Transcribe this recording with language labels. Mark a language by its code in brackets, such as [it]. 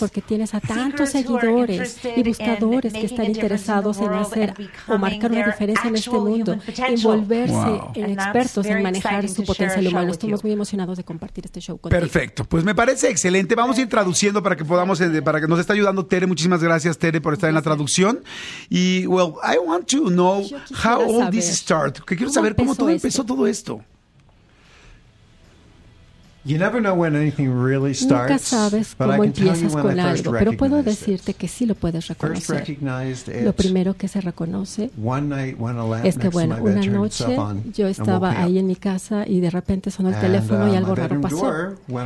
[es] porque tienes a tantos seguidores y buscadores que están interesados en hacer o marcar una diferencia en este mundo y volverse en expertos en manejar su potencial humano. Estamos muy emocionados de compartir este show contigo. Perfecto, pues me parece excelente. Vamos a ir traduciendo para que podamos, para que nos esté ayudando Tere. Muchísimas gracias, Tere, por estar en la traducción. [en] Y, well, I want to know how all this started. [es] Que quiero saber cómo todo empezó todo esto. [en] You never know when anything really starts. [es] Nunca sabes cómo empiezas con algo, pero puedo decirte que sí lo puedes reconocer. Lo primero que se reconoce es que, bueno, una noche yo estaba ahí en mi casa y de repente sonó el teléfono y algo raro pasó.